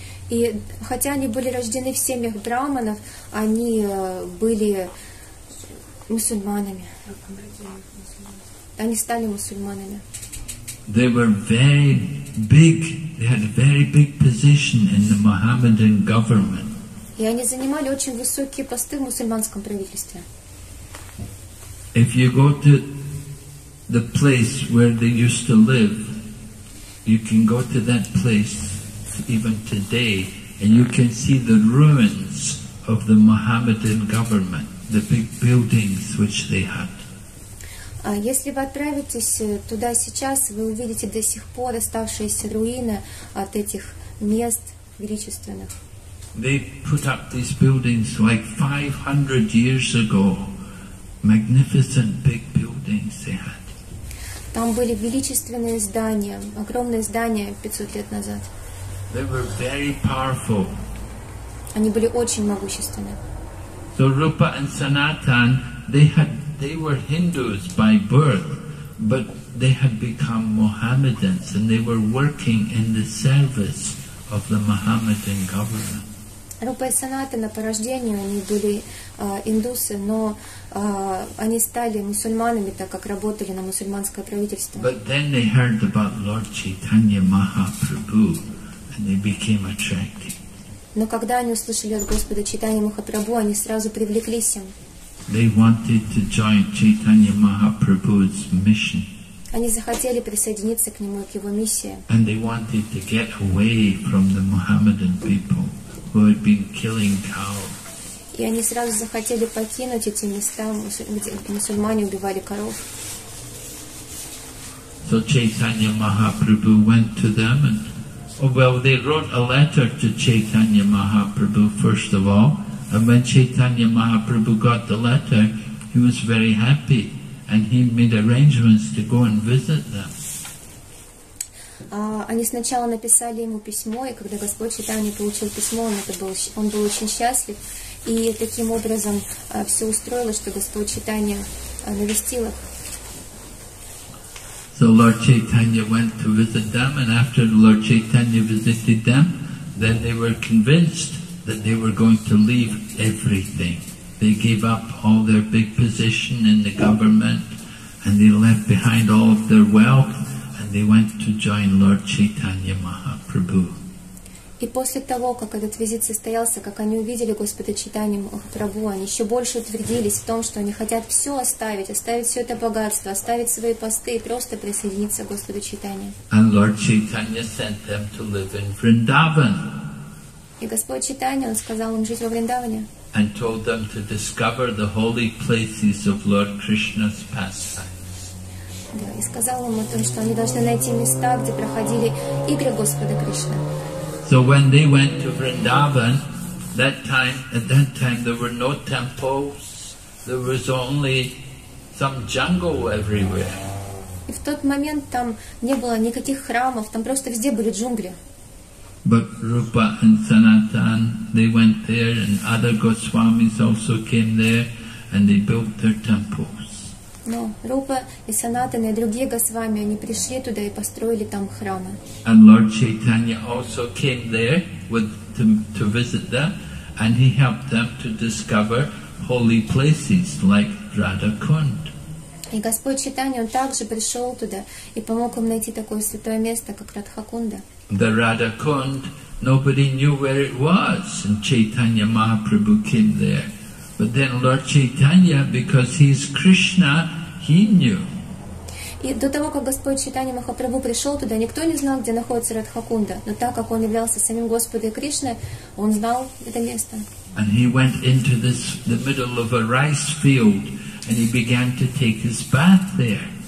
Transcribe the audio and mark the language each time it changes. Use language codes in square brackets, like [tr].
[ru] И хотя они были рождены в семьях брахманов, они были мусульманами. Они стали мусульманами. [en] They were very big. They had a very big position in the Mohammedan government. [ru] И они занимали очень высокие посты в мусульманском правительстве. [en] If you go to the place where they used to live, you can go to that place even today and you can see the ruins of the Mohammedan government, the big buildings which they had. [ru] Если вы отправитесь туда сейчас, вы увидите до сих пор оставшиеся руины от этих мест величественных. [en] They put up these buildings like 500 years ago. Magnificent big buildings they had. [ru] Там были величественные здания, огромные здания 500 лет назад. [en] They were very powerful. [ru] Они были очень могущественны. [en] So Rupa and Sanatan, they were Hindus by birth, but they had become Mohammedans and they were working in the service of the Mohammedan government. [ru] Рупа и Санатана по рождению они были индусы, но они стали мусульманами, так как работали на мусульманское правительство. [en] But then they heard about Lord Chaitanya Mahaprabhu, and they became attracted. [ru] Но когда они услышали от Господа Чайтанья Махапрабху, они сразу привлеклись им. [en] They wanted to join Chaitanya Mahaprabhu's mission. [ru] Они захотели присоединиться к нему и к его миссии. [en] And they wanted to get away from the Mohammedan people. Who had been killing cows. [ru] И они сразу захотели покинуть эти места, где мусульмане убивали коров. [en] So Chaitanya Mahaprabhu went to them and they wrote a letter to Chaitanya Mahaprabhu first of all, and when Chaitanya Mahaprabhu got the letter, he was very happy and he made arrangements to go and visit them. [ru] Они сначала написали ему письмо, и когда Господь Чайтанья получил письмо, он был очень счастлив, и таким образом все устроилось, что Господь Чайтанья навестил их. [en] So Lord Chaitanya went to visit them, and after Lord Chaitanya visited them, then they were convinced that they were going to leave everything. They gave up all their big position in the government, and they left behind all of their wealth. They went to join Lord Chaitanya Mahaprabhu. [ru] И после того, как этот визит состоялся, как они увидели Господа Чайтанью Махапрабху, они еще больше утвердились в том, что они хотят все оставить все это богатство, оставить свои посты и просто присоединиться к Господу Чайтанье. [en] And Lord Chaitanya sent them to live in Vrindavan. [ru] И Господь Чайтанья сказал им жить во Вриндаване. [en] And told them to discover the holy places of Lord Krishna's pastime. [ru] Да, и сказал им о том, что они должны найти места, где проходили игры Господа Кришны. [en] So when they went to Vrindavan, at that time there were no temples, there was only some jungle everywhere. [ru] И в тот момент там не было никаких храмов, там просто везде были джунгли. [en] But Rupa and Sanatan, they went there, and other Goswamis also came there, and they built their temples. [ru] No, Rupa и Санатан и другие Госвами, они пришли туда и построили там храмы. [en] And Lord Chaitanya also came there with them to visit them, and he helped them to discover holy places like Radha Kund. [ru] И Господь Чайтанья, он также пришел туда и помог им найти такое святое место, как Радха Кунда. [en] The Radha Kund, nobody knew where it was, and Chaitanya Mahaprabhu came there. But then Lord Chaitanya, because he is Krishna, he knew. [ru] И до того, как Господь Чайтанья Махапрабху пришел туда, никто не знал, где находится Радха Кунда. Но так как он являлся самим Господом Кришной, он знал это место. [en] And he went into this, the middle of a rice field, and he began to take his bath there.